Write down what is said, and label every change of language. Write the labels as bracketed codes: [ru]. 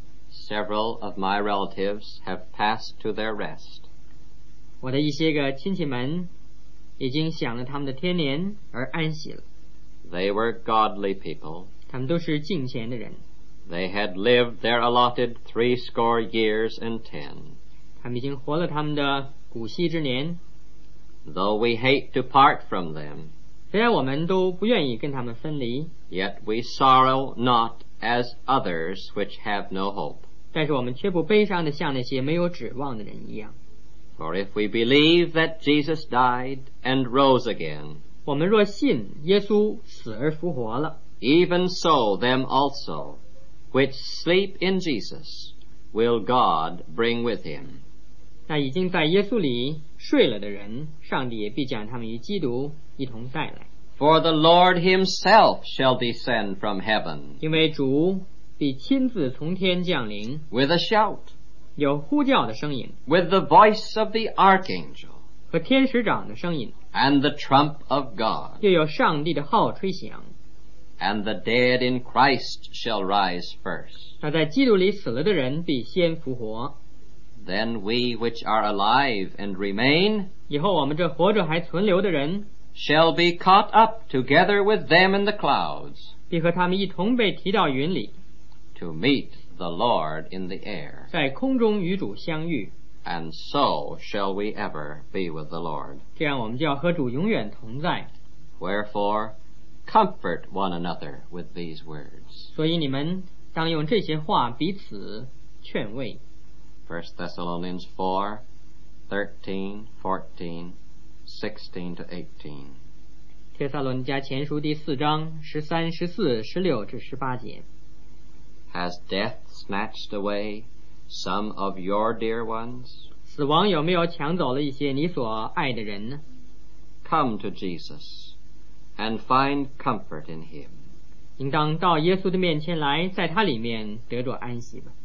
[en] Several of my relatives have passed to their rest. [zh] 我的一些个亲戚们已经享了他们的天年而安息了。 [en] They were godly people. [zh] 他们都是敬虔的人。 [en] They had lived their allotted 70 years and 10. [zh] 他们已经活了他们的古稀之年。 [en] Though we hate to part from them, [zh] 虽然我们都不愿意跟他们分离。 [en] Yet we sorrow not as others which have no hope. [zh] 但是我们却不悲伤地像那些没有指望的人一样。 [en] For if we believe that Jesus died and rose again, [zh] 我们若信耶稣死而复活了。 [en] Even so them also. Which sleep in Jesus will God bring with him. [zh] 那已经在耶稣里睡了的人，上帝也必将他们与基督一同带来。 [en] For the Lord himself shall descend from heaven. [zh] 因为主必亲自从天降临。 [en] With a shout. [zh] 有呼叫的声音。 [en] With the voice of the archangel. [zh] 和天使长的声音。 [en] And the trump of God. [zh] 又有上帝的号吹响。 [en] And the dead in Christ shall rise first. [zh] 那在基督里死了的人必先复活。 [en] Then we which are alive and remain, [zh] 以后我们这活着还存留的人 [en] shall be caught up together with them in the clouds, [zh] 必和他们一同被提到云里 [en] to meet the Lord in the air, [zh] 在空中与主相遇。 [en] And so shall we ever be with the Lord. [zh] 这样我们就要和主永远同在。 [en] Wherefore,Comfort one another with these words. [zh] 所以你们当用这些话彼此劝慰。 [en] First Thessalonians 4:13-14, 16-18. [zh] 帖撒罗尼迦前书第四章13-14, 16-18节。 [en] Has death snatched away some of your dear ones? [zh] 死亡有没有抢走了一些你所爱的人呢？ [en] Come to Jesus. And find comfort in him. [zh] 应当到耶稣的面前来，在他里面得着安息吧。